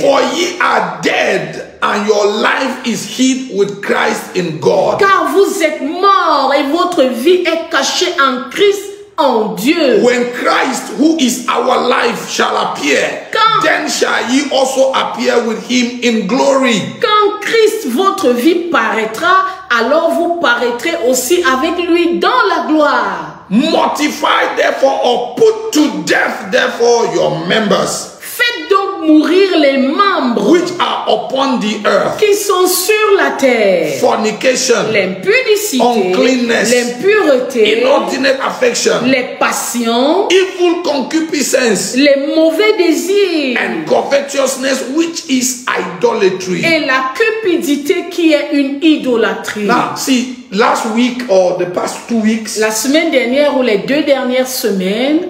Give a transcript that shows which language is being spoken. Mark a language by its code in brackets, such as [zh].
[en] For ye are dead and your life is hid with Christ in God. [fr] Car vous êtes morts et votre vie est cachée en Christ en Dieu. [en] When Christ, who is our life, shall appear, [fr] quand, [en] then shall ye also appear with him in glory. [fr] Quand Christ, votre vie paraîtra, alors vous paraîtrez aussi avec lui dans la gloire. [en] Mortify therefore or put to death therefore your members. [fr] Faites donc mourir les membres [en] which are upon the earth, [fr] qui sont sur la terre, [en] fornication, [fr] l'impudicité, [en] uncleanness, [fr] l'impureté, [en] inordinate affection, [fr] les passions, [en] evil concupiscence, [fr] les mauvais désirs, [en] and covetousness, which is idolatry, [fr] et la cupidité qui est une idolâtrie. [en] Now, see, last week or the past 2 weeks, [fr] la semaine dernière ou les deux dernières semaines,